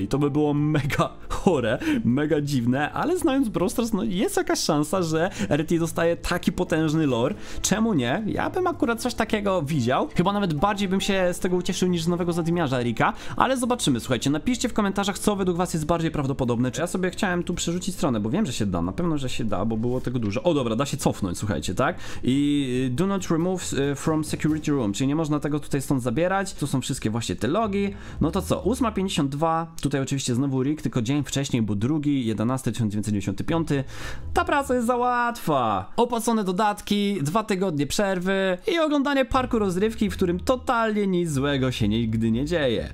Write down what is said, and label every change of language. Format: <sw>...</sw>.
<pl>I to by było mega chore, mega dziwne, ale znając Brawl Stars, no jest jakaś szansa, że RT dostaje taki potężny lore. Czemu nie? Ja bym akurat coś takiego widział. Chyba nawet bardziej bym się z tego ucieszył niż z nowego zadymiarza Ricka. Ale zobaczymy, słuchajcie, napiszcie w komentarzach, co według was jest bardziej prawdopodobne. Czy ja sobie chciałem tu przerzucić stronę, bo wiem, że się da. Na pewno, że się da, bo było tego dużo. O dobra, da się cofnąć, słuchajcie, tak?</pl> <en>I do not remove from security room.</en> <pl>Czyli nie można tego tutaj stąd zabierać. Tu są wszystkie właśnie te logi. No to co? 8.52. Tutaj oczywiście znowu Rick, tylko dzień wcześniej, bo 2.11.1995. Ta praca jest za łatwa. Opłacone dodatki, 2 tygodnie przerwy i oglądanie parku rozrywki, w którym totalnie nic złego się nigdy nie dzieje.</pl>